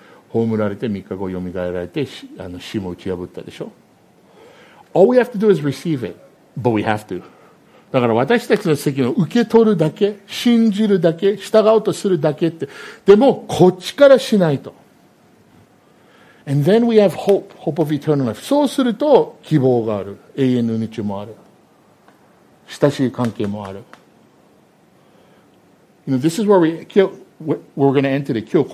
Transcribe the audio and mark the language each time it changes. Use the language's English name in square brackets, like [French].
[Japanese] 葬られて3日後蘇られて死も打ち破ったでしょ? [English] All we have to do is receive it, but we have to. [Japanese] だから私たちの責任を受け取るだけ、信じるだけ、従おうとするだけって、でもこっちからしないと。 [English] And then we have hope, hope of eternal life. [Japanese] そうすると希望がある。永遠の命もある。親しい関係もある。 [English] You know, this is where we're going to enter it.